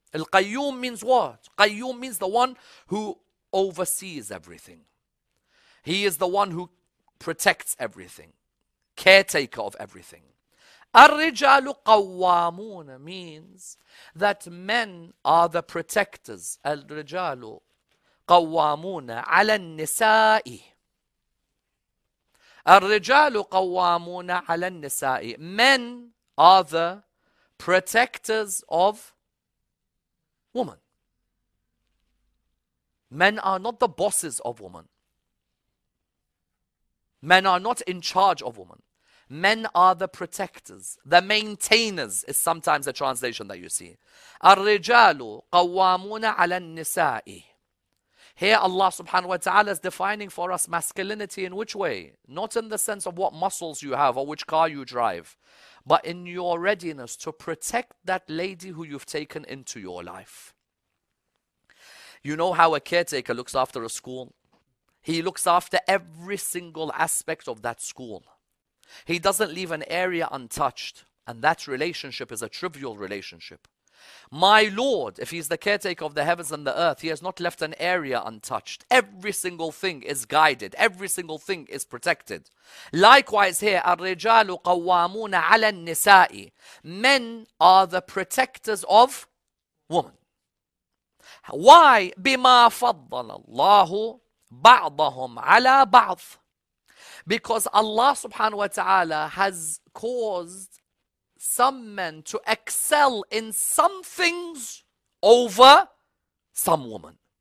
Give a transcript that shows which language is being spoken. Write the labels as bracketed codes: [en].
[en] Al-Qayyum means what? Qayyum means the one who oversees everything. He is the one who protects everything, caretaker of everything. [ar] الرجال قوامون [en] means that men are the protectors. [ar] الرجال قوامون على النساء. الرجال قوامون على النساء. [en] Men are the protectors of women. Men are not the bosses of women. Men are not in charge of women. Men are the protectors. The maintainers is sometimes a translation that you see. [ar] الرِّجَالُ قَوَّامُونَ عَلَى النِّسَاءِ. [en] Here Allah subhanahu wa ta'ala is defining for us masculinity in which way? Not in the sense of what muscles you have or which car you drive, but in your readiness to protect that lady who you've taken into your life. You know how a caretaker looks after a school? He looks after every single aspect of that school. He doesn't leave an area untouched, and that relationship is a trivial relationship. My Lord, if He's the caretaker of the heavens and the earth, He has not left an area untouched. Every single thing is guided. Every single thing is protected. Likewise here, [ar] الرِّجَالُ قَوَّامُونَ عَلَى النِّسَاءِ. [en] Men are the protectors of women. Why? [ar] بِمَا فَضَّلَ اللَّهُ بَعْضَهُمْ عَلَى بَعْضٍ. [en] Because Allah subhanahu wa ta'ala has caused some men to excel in some things over some women.